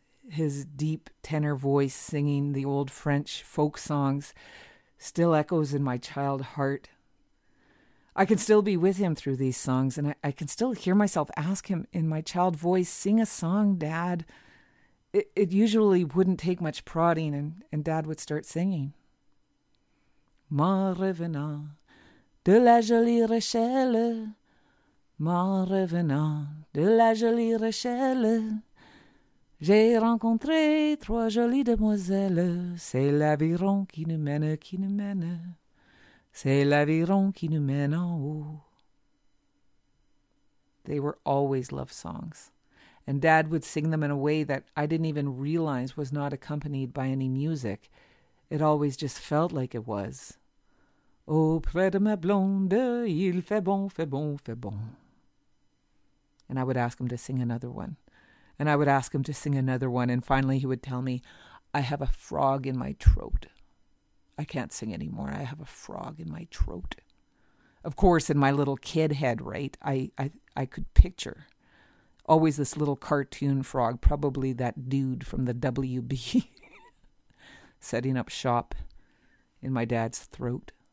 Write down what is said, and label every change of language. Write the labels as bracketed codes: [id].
[en] His deep tenor voice singing the old French folk songs still echoes in my child heart. I can still be with him through these songs, and I can still hear myself ask him in my child voice, "Sing a song, Dad." It usually wouldn't take much prodding, and Dad would start singing. [fr] M'en revenant de la jolie Rochelle, m'en revenant de la jolie Rochelle, j'ai rencontré 3 jolies demoiselles. C'est l'aviron qui nous mène, qui nous mène. C'est l'aviron qui nous mène en haut. [en] They were always love songs. And Dad would sing them in a way that I didn't even realize was not accompanied by any music. It always just felt like it was. [fr] Auprès de ma blonde, il fait bon, fait bon, fait bon. [en] And I would ask him to sing another one. And I would ask him to sing another one. And finally, he would tell me, "I have a frog in my throat. I can't sing anymore. I have a frog in my throat." Of course, in my little kid head, right, I could picture always this little cartoon frog, probably that dude from the WB, setting up shop in my dad's throat.